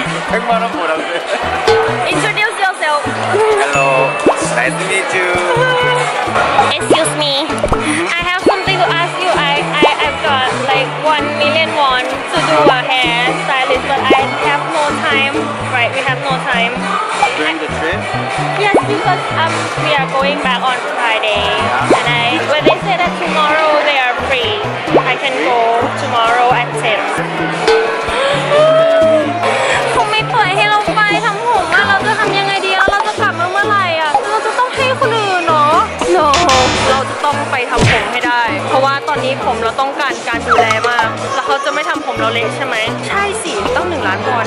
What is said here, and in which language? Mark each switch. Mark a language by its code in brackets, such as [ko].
[th] เอ็กมาร์ทโมนะ [en] Introduce yourself. Hello. Nice to meet you. Excuse me. I have something to ask you. I got like 1 million won to do a hair stylist, but I have no time. Right, we have no time. During the trip? Yes, because we are going back on Friday. Yeah. And when they say that tomorrow they are free, I can go tomorrow at 10. [th] เขาไม่เปิดให้เราไปทั้งหมดอ่ะเราจะทำยังไงดีเราจะกลับมาเมื่อไหร่อ่ะเราจะต้องให้คนอื่น เราจะต้องไปทำผมให้ได้เพราะว่าตอนนี้ผมเราต้องการการดูแลมากแล้วเขาจะไม่ทำผมเราเละใช่ไหม ใช่สิต้อง1 ล้านวอน